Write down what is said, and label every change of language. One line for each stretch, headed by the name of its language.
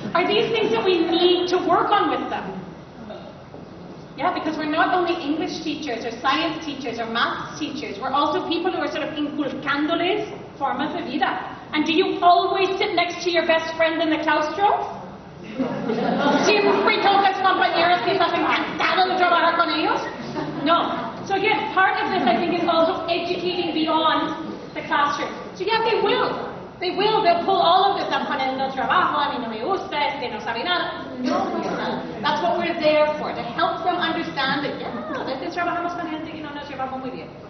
English: Are these things that we need to work on with them? Yeah, because we're not only English teachers or science teachers or math teachers, we're also people who are sort of
Spanish: inculcándoles formas de vida.
English: And do you always sit next to your best friend in the claustro?
Spanish: Siempre tocas compañeros que estás encantado de trabajar con ellos? No.
English: So again, part of this, I think, is also educating beyond the classroom. So yeah, they will. They will. They'll pull all of this. I'm
Spanish: poniendo trabajo, a mí no me gusta, es que no sabe nada.
English: No, that's what we're there for, to help them understand that, yeah,
Spanish: veces trabajamos con gente que no nos lleva muy bien.